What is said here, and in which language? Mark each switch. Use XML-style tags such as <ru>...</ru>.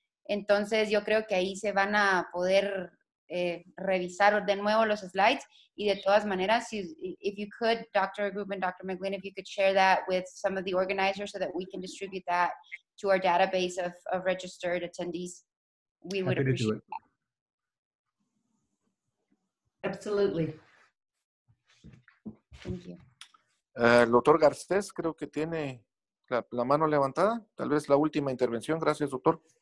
<es>Entonces yo creo que ahí se van a poder revisar de nuevo los slides. Y de todas maneras,</es> <en>if you could, Dr. Group and Dr. McLean, if you could share that with some of the organizers so that we can distribute that to our database of registered attendees, we would appreciate that. Absolutely. Thank you.</en> <es>El doctor Garcés creo que tiene la mano levantada. Tal vez la última intervención. Gracias, doctor.</es>